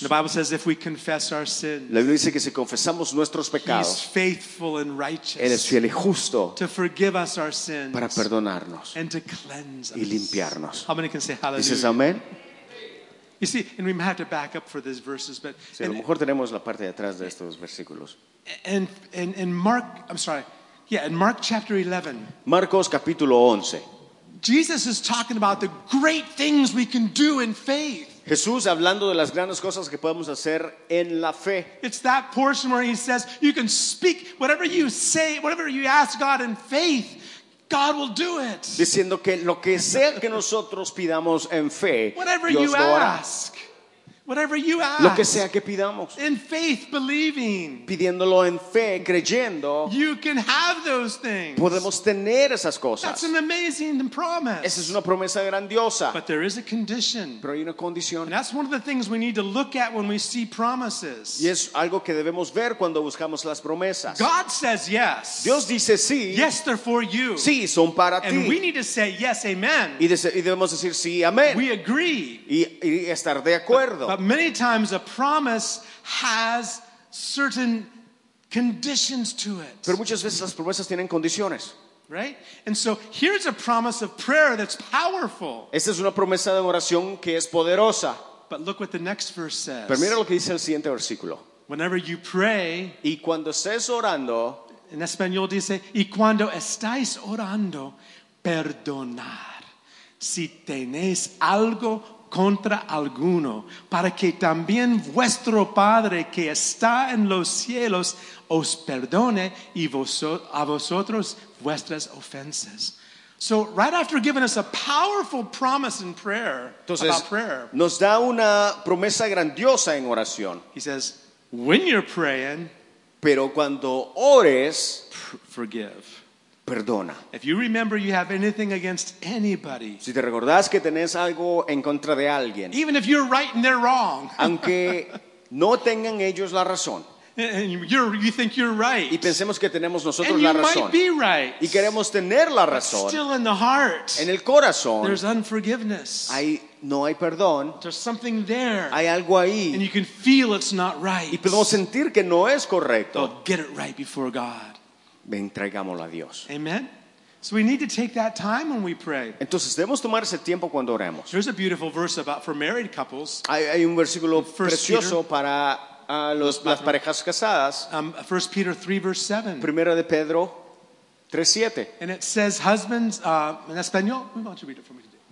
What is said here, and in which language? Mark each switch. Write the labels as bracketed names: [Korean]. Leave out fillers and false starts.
[English] The Bible says if we confess our sins, [Spanish] la Biblia dice que si confesamos nuestros pecados, [English] he's faithful and righteous, [Spanish] él es fiel y justo, [English] to forgive us our sins, [Spanish] para perdonarnos, [English] and to cleanse us, [Spanish] y limpiarnos. [English] How many can say hallelujah? [Spanish] Dices amén. [English] You see, and we might have to back up for these verses, but [Spanish] sí, a lo mejor tenemos la parte de atrás de estos versículos. [English] In Mark chapter 11. [Spanish] Marcos capítulo 11. [English] Jesus is talking about the great things we can do in faith. [Spanish] Jesús hablando de las grandes cosas que podemos hacer en la fe. [English] It's that portion where he says, you can speak whatever you say, whatever you ask God in faith, God will do it. [Spanish] Diciendo que lo que sea que nosotros pidamos en fe, [English] whatever [Spanish] Dios lo hará. [English] Ask. Whatever you ask. [Spanish] Lo que sea que pidamos. [English] In faith, believing. [Spanish] Pidiéndolo en fe, creyendo. [English] You can have those things. [Spanish] Podemos tener esas cosas. [English] That's an amazing promise. [Spanish] Esa es una promesa grandiosa. [English] But there is a condition. [Spanish] Pero hay una condición. [English] And that's one of the things we need to look at when we see promises. [Spanish] Y es algo que debemos ver cuando buscamos las promesas. [English] God says yes. [Spanish] Dios dice sí. [English] Yes, they're for you. [Spanish] Sí, son para [English] and [Spanish] ti. [English] And we need to say yes, amen. [Spanish] Y debemos decir sí, amén. [English] We agree. [Spanish] Y estar de acuerdo. [English] But many times a promise has certain conditions to it. [Spanish] Pero muchas veces las promesas tienen condiciones. [English] Right? And so here's a promise of prayer that's powerful. [Spanish] Esta es una promesa de oración que es poderosa. [English] But look what the next verse says. [Spanish] Pero mira lo que dice el siguiente versículo. [English] Whenever you pray, [Spanish] y cuando estés orando, en español dice, y cuando estáis orando, perdonad si tenéis algo contra alguno, para que también vuestro Padre que está en los cielos os perdone y a vosotros vuestras ofensas. [English] So right after giving us a powerful promise in prayer, [Spanish] entonces, [English] about prayer, [Spanish] nos da una promesa grandiosa en oración. [English] He says, when you're praying, [Spanish] pero cuando ores, [English] forgive. [Spanish] Perdona. [English] If you remember you have anything against anybody, [Spanish] si te recordás que tenés algo en contra de alguien, [English] even if you're right and they're wrong, [Spanish] aunque no tengan ellos la razón, [English] and you think you're right, [Spanish] y pensemos que tenemos nosotros [English] and [Spanish] la [English] you [Spanish] razón, [English] might be right, [Spanish] y queremos tener la razón, [English] still in the heart, [Spanish] en el corazón, [English] there's unforgiveness. [Spanish] No hay perdón. [English] There's something there. [Spanish] Hay algo ahí. [English] And you can feel it's not right. [Spanish] Y podemos sentir que no es correcto. [English] Oh, get it right before God. [Spanish] Entregámoslo a Dios. [English] Amen. So we need to take that time when we pray. [Spanish] Entonces debemos tomar ese tiempo cuando oremos. [English] There's a beautiful verse about for married couples. [Spanish] Hay un versículo precioso para las parejas casadas. [English] 1 Peter 3 verse 7. [Spanish] Primera de Pedro 3:7. [English] And it says, husbands, [Spanish] en español, [English] why don't you read it for me today?